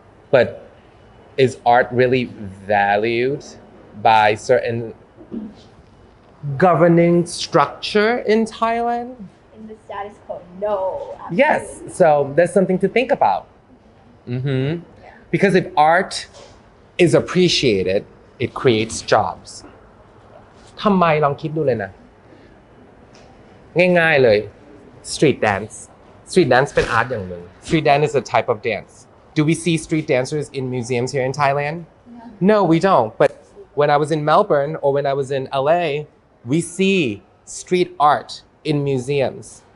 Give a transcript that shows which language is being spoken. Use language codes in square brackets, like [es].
[en] But is art really valued by certain governing structure in Thailand? In the status quo, no. Absolutely. Yes, so there's something to think about. Mm-hmm. Yeah. Because if art is appreciated, it creates jobs. [th] ทำไมลองคิดดูเลยนะง่ายๆเลย [en] Street dance [th] เป็นอาร์ตอย่างนึง [en] Street dance is a type of dance. Do we see street dancers in museums here in Thailand? No. No, we don't. But when I was in Melbourne or when I was in LA, we see street art in museums.